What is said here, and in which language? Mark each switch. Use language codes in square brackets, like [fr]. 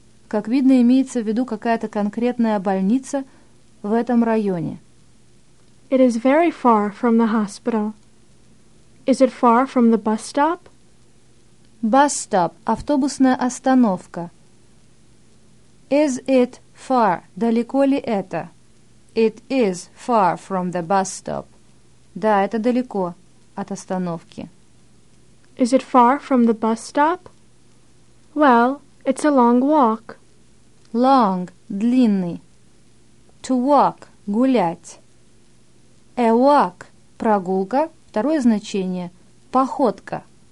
[ru] Как видно, имеется в виду какая-то конкретная больница в этом районе. [en] It is very far from the hospital. Is it far from the bus stop? Bus stop, [ru] автобусная остановка. [en] Is it far? [ru] Далеко ли это? [en] It is far from the bus stop. [ru] Да, это далеко от остановки. [en] Is it far from the bus stop? Well, it's a long walk. Long, [ru] длинный. [en] To walk, [ru] гулять. [en] A walk, [ru] прогулка, второе значение, походка.